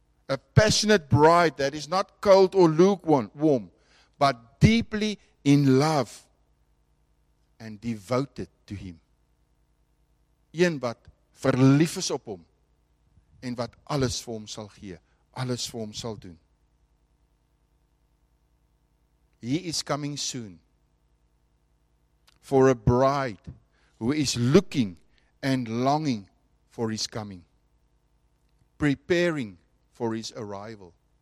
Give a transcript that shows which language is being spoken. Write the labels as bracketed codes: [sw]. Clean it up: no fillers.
[en] A passionate bride that is not cold or lukewarm, but deeply in love and devoted to him. [af] Een wat verlief is op hom en wat alles vir hom sal gee, alles vir hom sal doen. [en] He is coming soon for a bride who is looking and longing for his coming, preparing for his arrival.